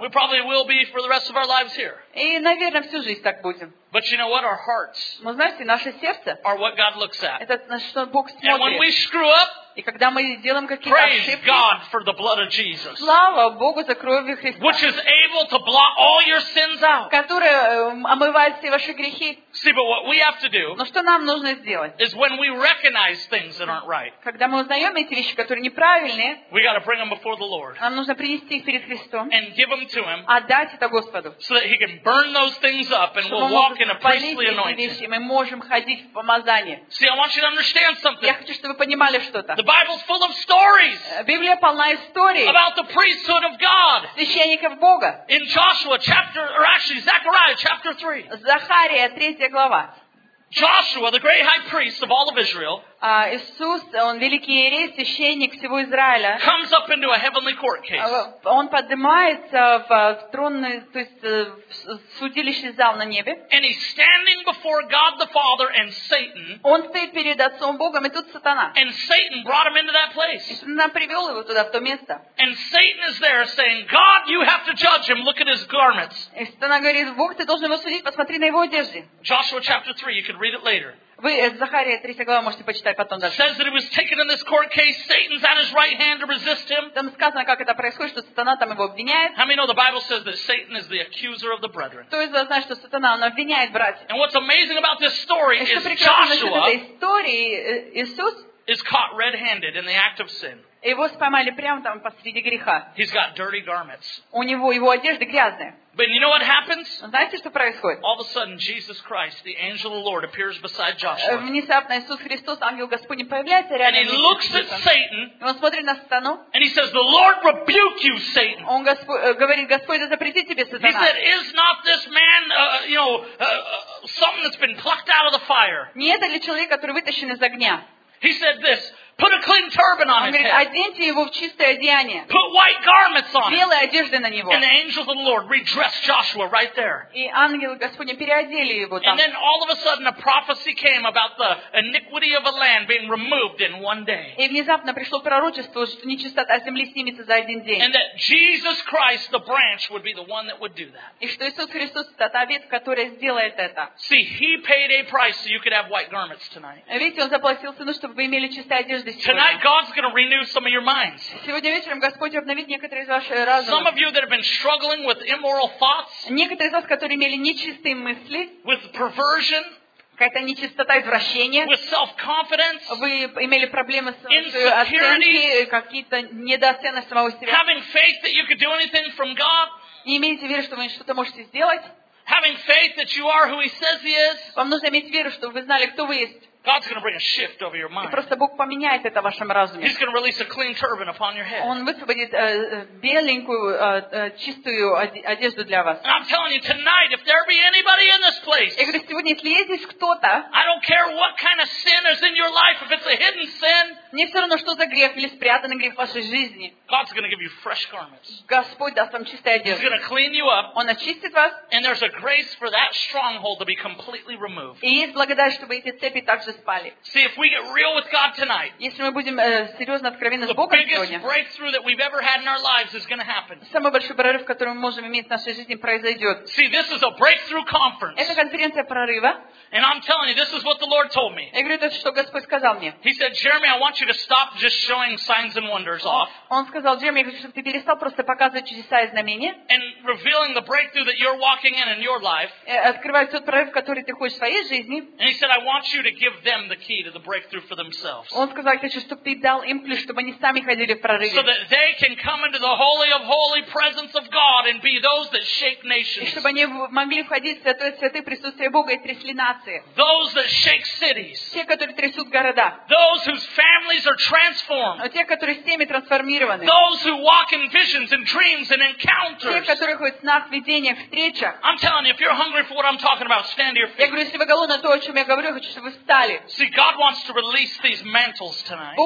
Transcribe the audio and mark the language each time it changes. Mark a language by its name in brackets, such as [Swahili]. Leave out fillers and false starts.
[English] We probably will be for the rest of our lives here. [Russian] И, наверное, всю жизнь так будем. [English] But you know what? Our hearts. [Russian] Мы знаете, наше сердце. [English] Are what God looks at. [Russian] Это на что Бог смотрит. [English] And when we screw up. [Russian] И когда мы делаем какие-то ошибки. [English] Praise God for the blood of Jesus. [Russian] Слава Богу за кровь Христа. [English] Which is able to blot all your sins out. [Russian] Которая омывает все ваши грехи. [English] See, but what we have to do. [Russian] Но что нам нужно сделать? [English] Is when we recognize things that aren't right. [Russian] Когда мы узнаем эти вещи, которые неправильные. [English] We got to bring them before the Lord. [Russian] Нам нужно принести их перед Христом. [English] And give them to Him. [Russian] Отдать это Господу. [English] So that He can burn those things up, and we'll walk in a priestly anointing. [Russian] Чтобы мы можем ходить в помазании. [English] See, I want you to understand something. [Russian] Я хочу, чтобы вы понимали что-то. [English] The Bible's full of stories. [Russian] Библия полна историй. [English] About the priesthood of God. [Russian] Священников Бога. [English] In Joshua chapter, or actually Zechariah chapter 3. [Russian] Захария 3 глава. [English] Joshua, the great high priest of all of Israel. [Russian] Иисус, он великий иерей, священник всего Израиля. [English] Comes up into a heavenly court case. [Russian] Он поднимается в тронный, то есть в судилище зал на небе. [English] And he's standing before God the Father and Satan. [Russian] Он стоит перед Отцом Богом и тут Сатана. [English] And Satan brought him into that place. [Russian] И Сатана привел его туда, в то место. [English] And Satan is there saying, God, you have to judge him. Look at his garments. [Russian] И Сатана говорит, Бог, ты должен его судить, посмотри на его одежды. [English] Joshua chapter 3, you can read it later. [Russian] Вы Захария 3 глава можете почитать потом дальше. [English] Says that he was taken in this court case. Satan's at his right hand to resist him. [Russian] Там сказано, как это происходит, что Сатана там его обвиняет. [English] How many know the Bible says that Satan is the accuser of the brethren? [Russian] То есть знаешь, что Сатана он обвиняет братьев. [English] And what's amazing about this story is Joshua is caught red-handed in the act of sin. [Russian] Его поймали прямо там посреди греха. [English] He's got dirty garments. [Russian] У него его одежды грязные. [English] But you know what happens? [Russian] Знаете, что происходит? [English] All of a sudden, Jesus Christ, the angel of the Lord, appears beside Joshua. [Russian] Внезапно Иисус Христос, ангел Господень, появляется рядом. [English] And he looks at Satan. [Russian] Он смотрит на Сатану. [English] And he says, "The Lord rebuke you, Satan." [Russian] Он говорит, Господь, да запрети тебе Сатана. [English] He said, "Is not this man, something that's been plucked out of the fire?" [Russian] Не это ли человек, который вытащен из огня? [English] He said this. Put a clean turban on his head. [Russian] Оденьте его в чистое одеяние. [English] Put white garments on. [Russian] Белые одежды на него. [English] And the angel of the Lord redressed Joshua right there. [Russian] И ангелы Господни переодели его там. [English] And then all of a sudden a prophecy came about the iniquity of a land being removed in one day. [Russian] И внезапно пришло пророчество, что нечистота земли снимется за один день. [English] And that Jesus Christ, the branch, would be the one that would do that. [Russian] И что Иисус Христос, тот ветвь, который сделает это. [English] See, he paid a price so you could have white garments tonight. [Russian] Видите, он заплатил цену, чтобы вы имели чистое одеяние. [English] Tonight God's going to renew some of your minds. [Russian] Сегодня вечером Господь обновит некоторые из ваших разумов. [English] Some of you that have been struggling with immoral thoughts. [Russian] Некоторые из вас, которые имели нечистые мысли. [English] With perversion. [Russian] Какая-то нечистота, извращение. [English] With self-confidence. [Russian] Вы имели проблемы с оценкой, какие-то недооценки самого себя. [English] Having faith that you could do anything from God. [Russian] Не имеете веры, что вы что-то можете сделать? [English] Having faith that you are who He says He is. [Russian] Вам нужно иметь веру, чтобы вы знали, кто вы есть. [English] God's going to bring a shift over your mind. [Russian] Просто Бог поменяет это в вашем разуме. [English] He's going to release a clean turban upon your head. [Russian] Он высвободит беленькую чистую одежду для вас. [English] And I'm telling you tonight, if there be anybody in this place, [Russian] я говорю сегодня, если есть здесь кто-то, [English] I don't care what kind of sin is in your life, if it's a hidden sin, [Russian] мне все равно, что за грех или спрятанный грех в вашей жизни. [English] God's going to give you fresh garments. [Russian] Господь даст вам чистую одежду. [English] He's going to clean you up. [Russian] Он очистит вас. [English] And there's a grace for that stronghold to be completely removed. [Russian] И есть благодать, чтобы эти цепи также [English] See, if we get real with God tonight, [Russian] если мы будем серьезно откровенны с Богом сегодня, [English] the biggest breakthrough that we've ever had in our lives is going to happen. [Russian] Самый большой прорыв, который мы можем иметь в нашей жизни, произойдет. [English] See, this is a breakthrough conference. [Russian] Это конференция прорыва. [English] And I'm telling you, this is what the Lord told me. [Russian] Я говорю, это что Господь сказал мне. [English] He said, Jeremy, I want you to stop just showing signs and wonders off. [Russian] Он сказал, Джереми, я хочу, чтобы ты перестал просто показывать чудеса и знамения. [English] And revealing the breakthrough that you're walking in your life. [Russian] Открывать тот прорыв, который ты хочешь в своей жизни. [English] And he said, I want you to give them the key to the breakthrough for themselves. [Russian] Он сказал, хочу, чтобы ты дал им ключ, чтобы они сами ходили в прорыве. [English] So that they can come into the holy of holy presence of God and be those that shake nations. [Russian] И чтобы они могли входить в святое святых присутствие Бога и трясли нации. [English] Those that shake cities. [Russian] Те, которые трясут города. [English] Those whose families are transformed. [Russian] Те, которые семьи трансформированы. [English] Those who walk in visions and dreams and encounters. [Russian] Те, которые ходят в снах, видениях, встречах. [English] I'm telling you, if you're hungry for what I'm talking about, stand to your feet. [Russian] Я говорю, если вы голодны, то о чем я говорю, хочу, чтобы вы встали. [English] See, God wants to release these mantles tonight.